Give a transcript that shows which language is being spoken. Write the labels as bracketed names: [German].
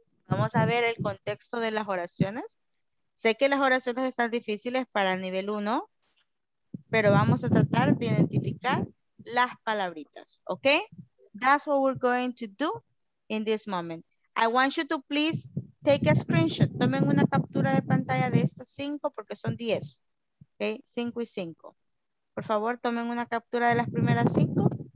[Spanish] Vamos a ver el contexto de las oraciones. Sé que las oraciones están difíciles para nivel 1, pero vamos a tratar de identificar las palabritas, okay? [English] That's what we're going to do in this moment. I want you to please take a screenshot. [Spanish] Tomen una captura de pantalla de estas 5 porque son 10, okay? 5 y 5. Por favor, tomen una captura de las primeras 5.